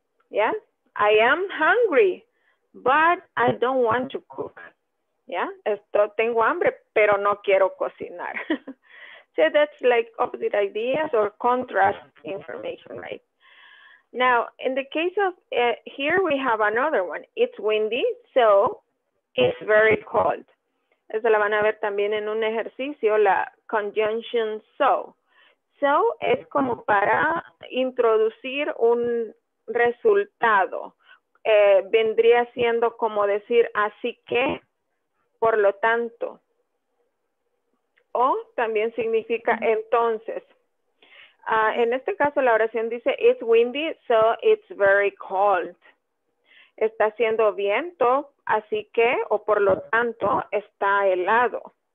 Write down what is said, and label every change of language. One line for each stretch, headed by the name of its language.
English: Yeah, I am hungry, but I don't want to cook.
Spanish: Yeah, esto tengo hambre, pero no quiero cocinar.
English: So that's like opposite ideas or contrast information, right? Now, in the case of here, we have another one. It's windy, so it's very cold.
Spanish: Eso la van a ver también en un ejercicio, la conjunction so. So es como para introducir un resultado. Vendría siendo como decir, así que, por lo tanto. O también significa entonces. En este caso la oración dice,
English: it's windy, so it's very cold.
Spanish: Está haciendo viento, así que, o por lo tanto, está helado.